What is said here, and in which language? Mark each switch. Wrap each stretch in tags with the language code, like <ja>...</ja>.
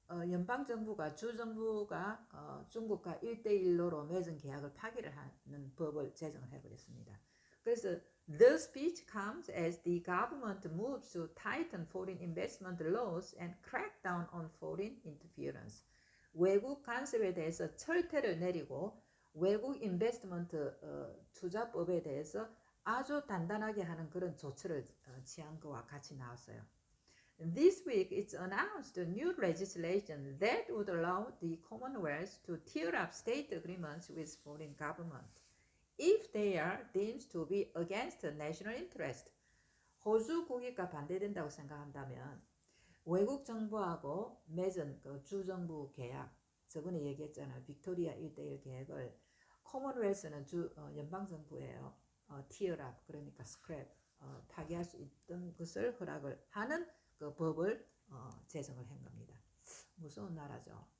<ko>연방정부가 주정부가 중국과 1대1로 맺은 계약을 파기를 하는 법을 제정을 해버렸습니다.</ko> <en>그래서 The speech comes as the government moves to tighten foreign investment laws and crack down on foreign interference.</en> <ko>외국 간섭에 대해서 철퇴를 내리고 외국 인베스트먼트 투자법에 대해서 아주 단단하게 하는 그런 조치를 취한 것과 같이 나왔어요.</ko> <en>This week it's announced a new legislation that would allow the Commonwealth to tear up state agreements with foreign government if they are deemed to be against national interest.</en> <ko>호주 국익과 반대된다고 생각한다면 외국 정부하고 맺은 그 주정부 계약, 저번에 얘기했잖아요. 빅토리아 1대1 계획을 Commonwealth는 연방정부예요. Tear up, 그러니까 scrap, 파괴할 수 있던 것을 허락을 하는 그 법을 제정을 한 겁니다. 무서운 나라죠.</ko>